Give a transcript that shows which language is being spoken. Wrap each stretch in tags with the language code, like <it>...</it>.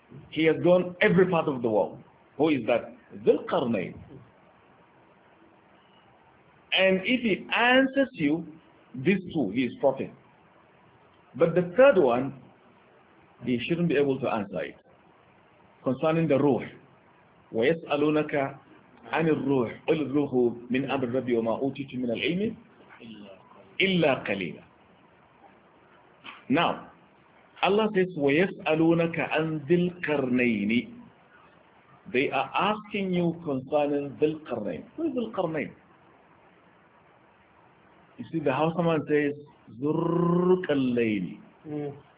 <en>He has gone every part of the world. Who is that? Dhulqarnayn. And if he answers you, these two, he is prophet. But the third one, he shouldn't be able to answer it.</en> <ar>Concerning the ruh, وَيَسْأَلُونَكَ عَنِ الرُّوحِ قُلْ الرُّوحُ مِنْ أَمْرِ رَبِّي وَمَا أُوتِيتُ مِنَ الْعِلْمِ إِلَّا قَلِيلًا.</ar> <en>Now, Allah says,</en> <ar>وَيَسْأَلُونَكَ عَنْ ذِي الْقَرْنَيْنِ.</ar> <en>They are asking you concerning ذِي الْقَرْنَيْنِ. Who is ذِي الْقَرْنَيْنِ? You see, the Hausaman says, ذُرُّكَ اللَّيْنِ.</en>